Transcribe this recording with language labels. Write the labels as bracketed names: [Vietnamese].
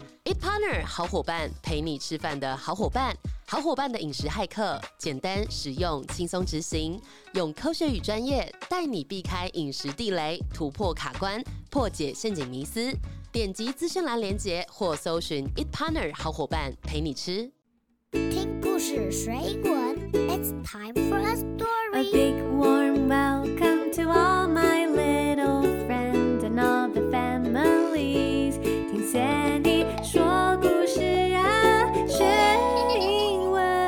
[Chinese] Eat Partner 好伙伴，陪你吃饭的好伙伴。好伙伴的饮食骇客，简单实用，轻松执行，用科学与专业带你避开饮食地雷，突破卡关，破解陷阱迷思。点击资讯栏连结或搜寻 Eat Partner 好伙伴陪你吃。听故事学英文， [English] It's time for a story. A big warm welcome to all my little friends and all the families. [Chinese] 听 Sandy 说故事啊，学英文。